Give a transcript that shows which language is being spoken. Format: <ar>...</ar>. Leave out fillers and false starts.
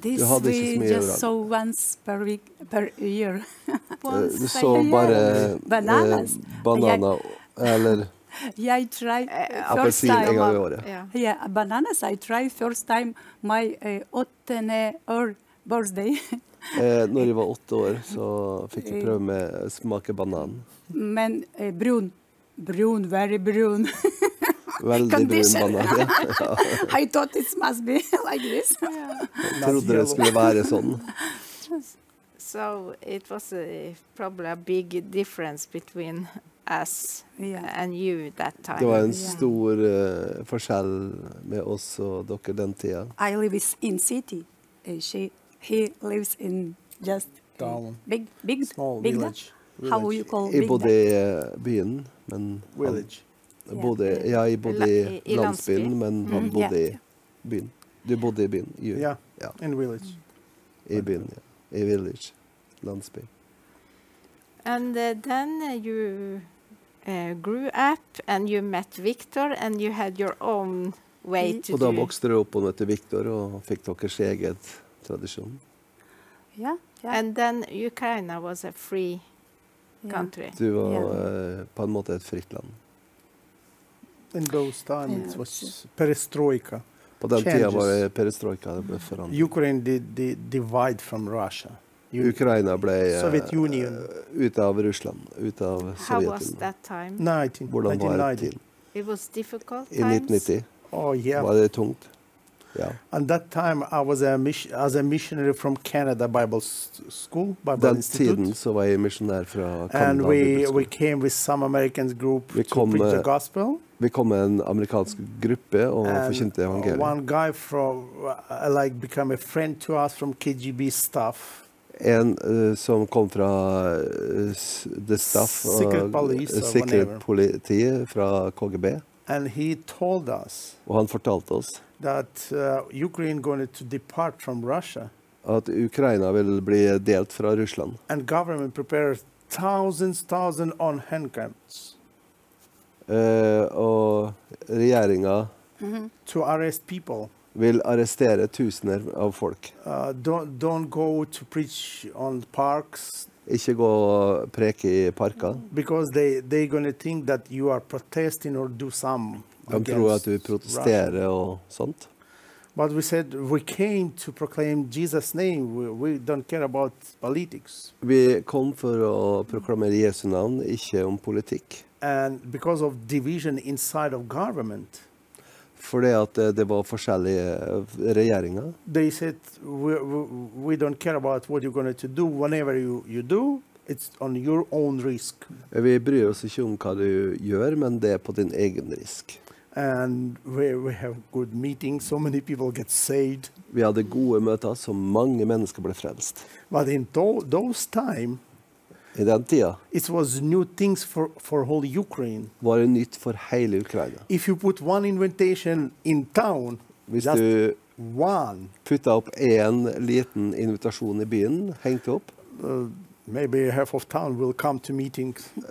<en>This we just saw once per year.</en> <no>Du så bare banana eller.</no> <en>Yeah, I try first time. Yeah, bananas. I try first time my 8th birthday.</en> <no>Når jeg var 8 år, så fikk jeg prøve med smake banan. Men brun,</no> <en>very</en> <no>brun. Veldig brun banan. Ja.</no> <en>I thought it must be like this.</en> <no>Jeg trodde det skulle være sånn.</no> <en>So it was probably a big difference between. Us and you that time.</en> <no>Det var en stor forskjell med oss og dere den tiden.</no> <en>I live in city, and he lives in just big small village. How would you call</en> <no>it? I bodde i byen, men</no> <en>village.</en> <no>I bodde i landsbyen, men han bodde i byen. Du bodde i byen, you.</no> <en>Yeah, in village.</en> <no>I byen, i village, landsby.</no> <en>And then you. Grew up and you met Victor and you had your own way to</en> <no>do. Og da vokste du opp og møtte Victor og fikk deres eget tradisjon.</no> <en>Yeah. And then Ukraine was a free country.</en> <no>Du var på en måte et fritt land.</no> <en>In those times it was perestroika.</en> <no>På den tiden var det perestroika, det ble forandret.</no> <en>Ukraine did divide from Russia.</en> <no>Ukraina ble ut av Russland, ut av Sovjetunionen.</no> <en>How was that time? 19.</en> <no>Hvordan var det tid?</no> <en>It was difficult times.</en> <no>I 1990.</no> <en>Oh yeah.</en> <no>Var det tungt? Ja.</no> <en>And that time I was as a missionary from Canada Bible School, Bible</en> <no>den</no> <en>Institute.</en> <no>Den tiden så var jeg missionær fra Canada.</no> <en>And we came with some American group to preach the gospel.</en> <no>Vi kom med en amerikansk gruppe og forkynte evangeliet.</no> <en>One guy from like became a friend to us from KGB staff.</en> <no>En som kom fra</no> <en>the staff,</en> <no>sikkerhetspolitiet fra KGB.</no> <en>And he told us</en> <no>og han fortalte oss</no> <en>that Ukraine going to depart from Russia.</en> <no>At Ukraina vil bli delt fra Russland.</no> <en>And government prepared thousands on hand camps.</en> <no>Og regjeringen</no> <en>to arrest people.</en> <sv>Vill arrestera tusener av folk.</sv> <en>Don't go to preach on parks.</en> <sv>Inte gå preka i parker.</sv> <en>Because they're going to think that you are protesting or do some.</en> <sv>De tror att du protesterar och sånt.</sv> <en>But we said we came to proclaim Jesus' name. We don't care about politics.</en> <sv>Vi kom för att proklamera Jesu namn, inte om politik.</sv> <en>And because of division inside of government.</en> <sv>För att det var forskjellige regjeringer.</sv> <en>They said we don't care about what you're going to do whenever you do. It's on your own risk.</en> <no>Vi bryr oss ikke om hva du gjør, men det er på din egen risk.</no> <en>And we have good meetings, so many people get saved.</en> <no>Vi hadde gode møter, så mange mennesker ble frelst.</no> <en>But in those time</en> <no>i den tida.</no> <en>It was new things for whole Ukraine.</en> <no>Var det nytt for hele Ukraina.</no> <en>If you put one invitation in town,</en> <no>hvis du putta opp en liten invitasjon i byen, hengte opp.</no> <en>Maybe half of town will come to meetings.</en>